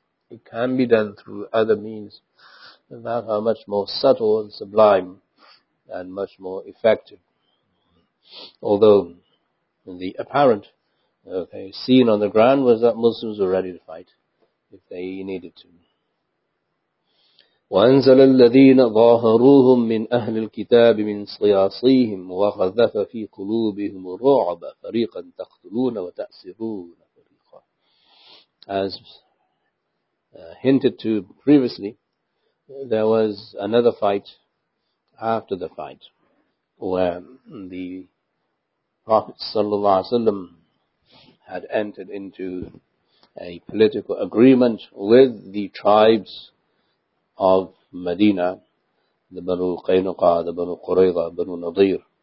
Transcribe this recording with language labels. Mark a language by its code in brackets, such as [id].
[en] It can be done through other means that are much more subtle and sublime and much more effective. Although the apparent scene on the ground was that Muslims were ready to fight if they needed to. [ar] وأنزل الذين ظاهروهم من أهل الكتاب من صياصيهم وقذف في قلوبهم الرعب فريقا تقتلون وتأسرون فريقا. [en] As hinted to previously, there was another fight after the fight where the Prophet ﷺ had entered into a political agreement with the tribes of Medina, the Banu Qaynuqa, the Banu Qurayzah, Banu Nadir.